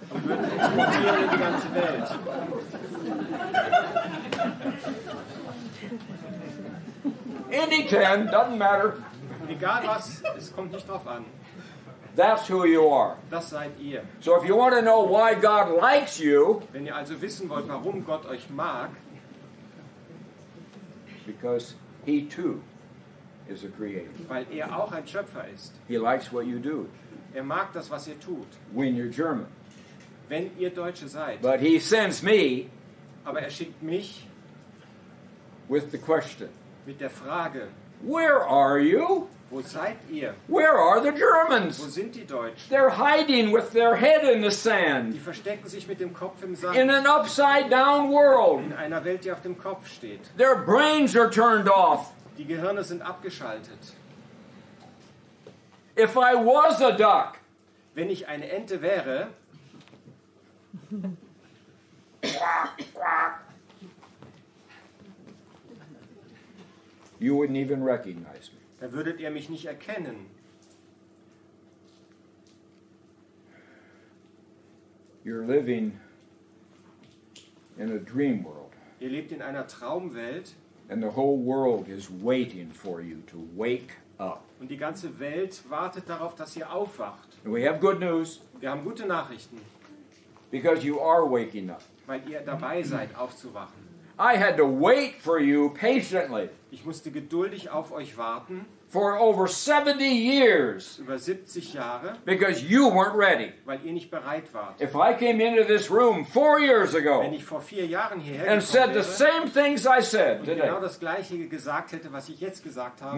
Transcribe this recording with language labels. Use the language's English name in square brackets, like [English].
[German] und würden exportieren in die ganze Welt. [English] Any 10, doesn't matter. [German] Egal was, es kommt nicht drauf an. [English] That's who you are. [German] Das seid ihr. [English] So if you want to know why God likes you, [German] wenn ihr also wissen wollt, warum Gott euch mag, [English] because he too is a creator. [German] Weil er auch ein Schöpfer ist. [English] He likes what you do. [German] Er mag das, was ihr tut. [English] When you're German. [German] Wenn ihr Deutsche seid. [English] But he sends me. [German] Aber er schickt mich [English] with the question. [German] Mit der Frage, [English] where are you? [German] Wo seid ihr? [English] Where are the Germans? [German] Wo sind die Deutschen? [English] They're hiding with their head in the sand. [German] Die verstecken sich mit dem Kopf im Sand. [English] In an upside down world. [German] In einer Welt, die auf dem Kopf steht. [English] Their brains are turned off. [German] Die Gehirne sind abgeschaltet. [English] If I was a duck. [German] Wenn ich eine Ente wäre. [English] You wouldn't even recognize me. [German] Da würdet ihr mich nicht erkennen. [English] You're living in a dream world. [German] Ihr lebt in einer Traumwelt. [English] And the whole world is waiting for you to wake up. [German] Und die ganze Welt wartet darauf, dass ihr aufwacht. [English] And we have good news. [German] Wir haben gute Nachrichten. [English] Because you are waking up. [German] Weil ihr dabei seid, aufzuwachen. [English] I had to wait for you patiently. [German] Ich musste geduldig auf euch warten. [English] For over 70 years. [German] Über 70 Jahre. [English] Because you weren't ready. [German] Weil ihr nicht bereit wart. [English] If I came into this room 4 years ago. [German] Wenn ich vor 4 Jahren hierher gekommen wäre. [English] And said the same things I said today. [German] Genau das gleiche gesagt hätte, was ich jetzt gesagt habe.